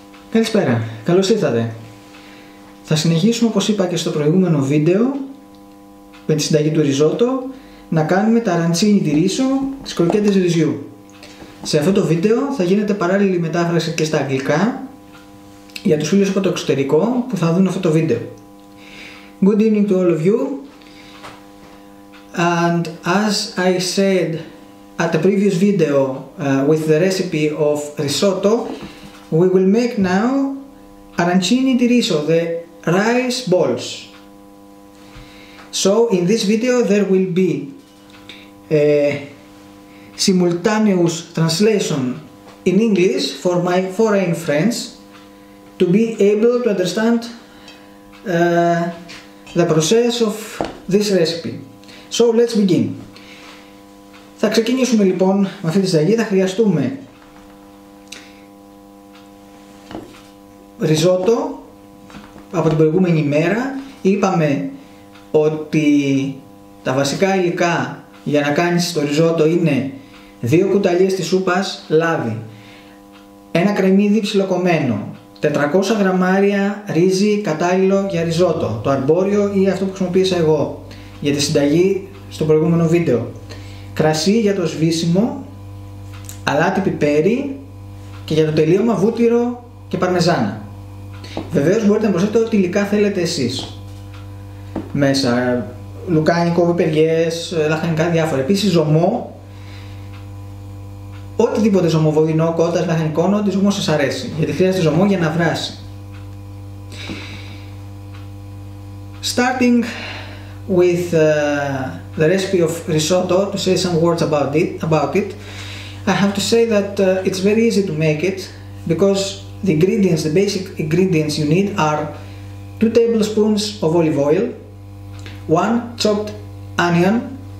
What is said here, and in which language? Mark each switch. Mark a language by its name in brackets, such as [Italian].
[Greek] Καλησπέρα, καλώς ήρθατε. Θα συνεχίσουμε όπως είπα και στο προηγούμενο βίντεο με τη συνταγή του ριζότο να κάνουμε τα αραντσίνι τη ρίσο τις κροκέτες ριζιού. Σε αυτό το βίντεο θα γίνεται παράλληλη μετάφραση και στα αγγλικά για τους φίλους από το εξωτερικό που θα δουν αυτό το βίντεο. [English] Good evening to all of you. And as I said at the previous video with the recipe of risotto, we will make now arancini di riso, the rice balls. So in this video there will be a simultaneous translation in English for my foreign friends to be able to understand the process of this recipe. So let's begin. [Greek] Θα ξεκινήσουμε λοιπόν με αυτή τη συνταγή. Θα χρειαστούμε ριζότο από την προηγούμενη μέρα. Είπαμε ότι τα βασικά υλικά για να κάνεις το ριζότο είναι 2 κουταλιές της σούπας λάδι, ένα κρεμμύδι ψιλοκομμένο, 400 γραμμάρια ρύζι κατάλληλο για ριζότο, το αρμπόριο ή αυτό που χρησιμοποίησα εγώ για τη συνταγή στο προηγούμενο βίντεο, κρασί για το σβήσιμο, αλάτι πιπέρι και για το τελείωμα βούτυρο και παρμεζάνα. Βεβαίως μπορείτε να προσθέσετε ό,τι υλικά θέλετε εσείς μέσα, λουκάνικο, πιπεριές, λαχανικά διάφορα, επίσης ζωμό, οτιδήποτε ζωμό, βοδινό, κότας, λαχανικό, ό,τι ζωμό σας αρέσει, γιατί χρειάζεται ζωμό για να βράσει. [English] Starting with the recipe of risotto, to say some words about it, I have to say that it's very easy to make it, because the ingredients, the basic ingredients you need are 2 tablespoons of olive oil, 1 chopped onion,